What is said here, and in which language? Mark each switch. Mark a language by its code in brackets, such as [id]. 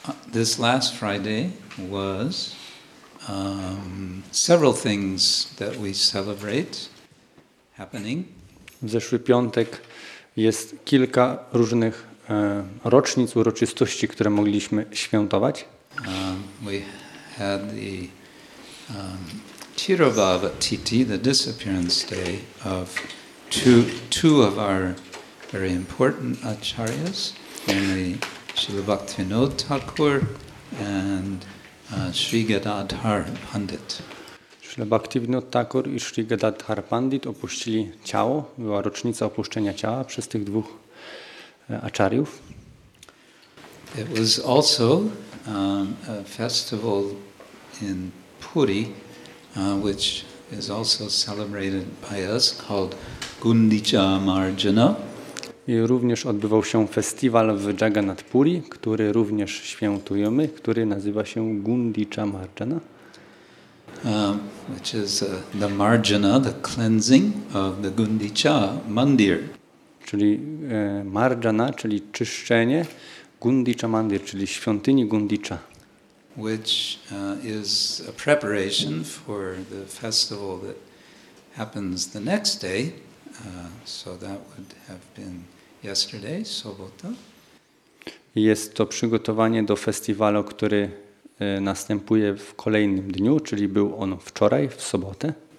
[en] this last Friday was several things that we celebrate happening. [pl] W zeszły piątek jest kilka różnych rocznic, uroczystości, które mogliśmy świętować. [en] We had the Tirubhava Titi, the disappearance day of two of our very important acharyas, namely Srila Bhaktivinoda Thakur and Sri Gadadhar Pandit. [pl] Srila Bhaktivinoda Thakur i Sri Gadadhar Pandit opuścili ciało. Była rocznica opuszczenia ciała przez tych dwóch acharyów. [en] It was also a festival in Puri, which is also celebrated by us, called Gundicha Marjana. [pl] I również odbywał się festiwal w Jagannath Puri, który również świętujemy, który nazywa się Gundicha Marjana. [en] Which is the Marjana, the cleansing of the Gundicha Mandir. [pl] Czyli Marjana, czyli czyszczenie Gundicha Mandir, czyli świątyni Gundicha. [en] Which is a preparation for the festival that happens the next day. So that would have been yesterday, sobota. [pl] Jest to przygotowanie do festiwalu, który następuje w kolejnym dniu, czyli był on wczoraj, w sobotę.